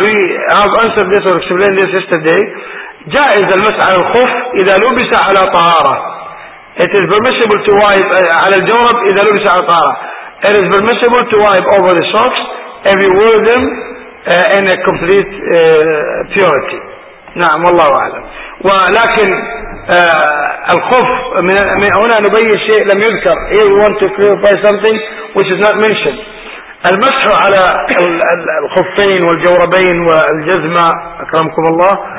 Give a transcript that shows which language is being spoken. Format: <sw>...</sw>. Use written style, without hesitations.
<en>We have answered this or explained this yesterday.</en> <ar>جائز المسح على الخف إذا لبس على طهارة.</ar> <en>It is permissible to wipe</en> <ar>على الجورب إذا لبس على طهارة.</ar> <en>It is permissible to wipe over the socks if you wear them in a complete purity.</en> <ar>نعم والله أعلم. ولكن الخوف من هنا نبين شيء لم يذكر.</ar> <en>Here we want to clarify something which is not mentioned.</en> <ar>المسح على الخفين والجوربين والجزمة أكرمكم الله.</ar>